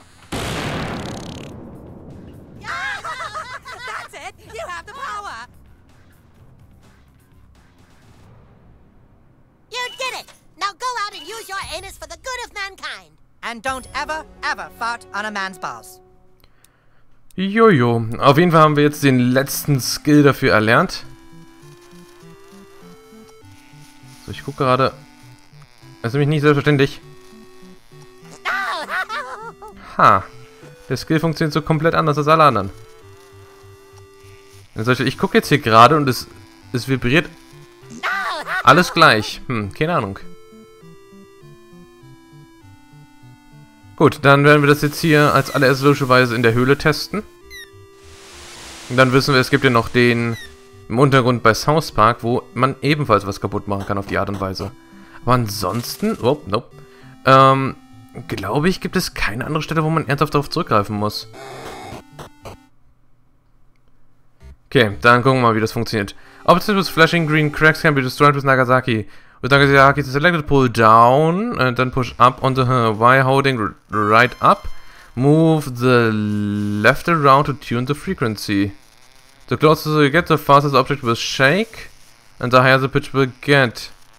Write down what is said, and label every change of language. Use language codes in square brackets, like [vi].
[en] That's it! You have the power! You did it! Now go out and use your anus for the good of mankind! And don't ever, ever fart on a man's balls. [de] Jojo, auf jeden Fall haben wir jetzt den letzten Skill dafür erlernt. So, ich gucke gerade. Das ist nämlich nicht selbstverständlich. Ha. Der Skill funktioniert so komplett anders als alle anderen. Also ich gucke jetzt hier gerade und es vibriert alles gleich. Keine Ahnung. Gut, dann werden wir das jetzt hier als allererste logischerweise in der Höhle testen. Und dann wissen wir, es gibt ja noch den im Untergrund bei South Park, wo man ebenfalls was kaputt machen kann auf die Art und Weise. Aber ansonsten, glaube ich, gibt es keine andere Stelle, wo man ernsthaft darauf zurückgreifen muss. Okay, dann gucken wir mal, wie das funktioniert. [en] Obstacles with flashing green cracks can be destroyed with Nagasaki. With Nagasaki's selected, pull down and then push up onto her Y holding right up. Move the left around to tune the frequency. The closer you get, the faster the object will shake and the higher the pitch will get.